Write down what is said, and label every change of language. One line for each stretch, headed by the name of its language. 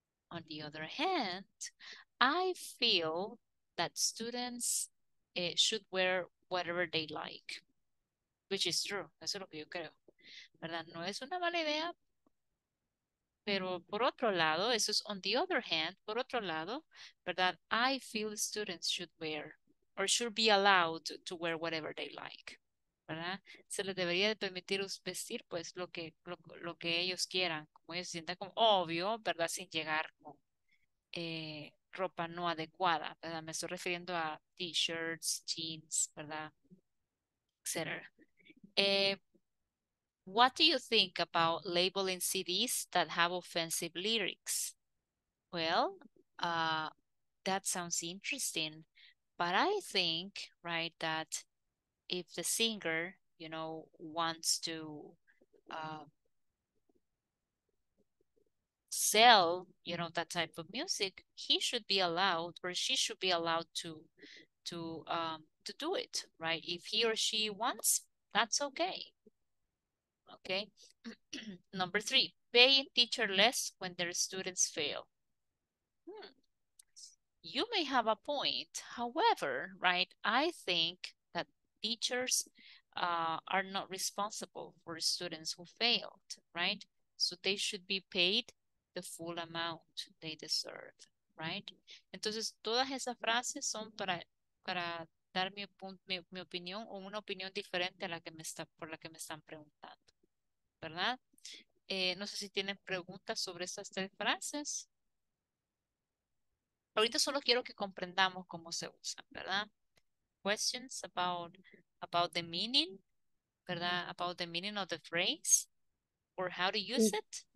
English: On the other hand, I feel that students should wear whatever they like, which is true.
Spanish: Eso es lo que yo creo, ¿verdad? No es una mala idea, pero por otro lado, eso es
English: on the other hand,
Spanish: por otro lado, ¿verdad?
English: I feel students should wear or should be allowed to wear whatever they like, ¿verdad?
Spanish: Se les debería de permitir vestir pues lo que ellos quieran, como ellos sientan como obvio, ¿verdad? Sin llegar con ropa no adecuada, ¿verdad? Me estoy refiriendo a t-shirts, jeans, ¿verdad? Etcétera.
English: What do you think about labeling CDs that have offensive lyrics? Well, that sounds interesting, but I think, right, that if the singer, you know, wants to sell, you know, that type of music, he should be allowed, or she should be allowed to do it, right? If he or she wants, that's okay. Okay, number three, paying teacher less when their students fail. You may have a point. However, right, I think that teachers are not responsible for students who failed, right? So they should be paid the full amount they deserve, right?
Spanish: Entonces, todas esas frases son para dar mi opinión o una opinión diferente a la que me están preguntando. ¿Verdad? No sé si tienen preguntas sobre esas tres frases. Ahorita solo quiero que comprendamos cómo se usan, ¿verdad?
English: Questions about the meaning,
Spanish: ¿verdad?
English: About the meaning of the phrase or how to use it.